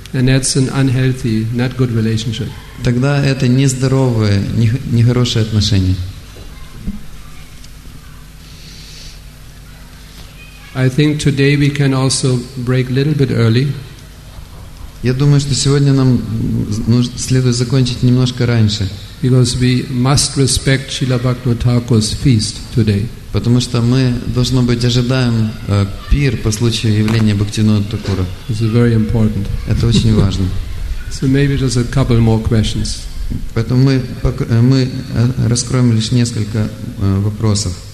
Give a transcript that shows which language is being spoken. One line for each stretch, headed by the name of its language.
English: And that's an unhealthy, not good relationship.
Russian: Тогда это нездоровые, нехорошие отношения.
English: I think today we can also break a little bit early.
Russian: Я думаю, что сегодня нам следует закончить немножко раньше.
English: Because we must respect Srila Bhakti Thakur's feast today.
Russian: Потому что мы, должно быть, ожидаем пир по случаю явления Бхактивинода Такура.
English: This is very important.
Russian: Это очень важно.
English: So maybe just a couple more questions.
Russian: Поэтому мы раскроем лишь несколько вопросов.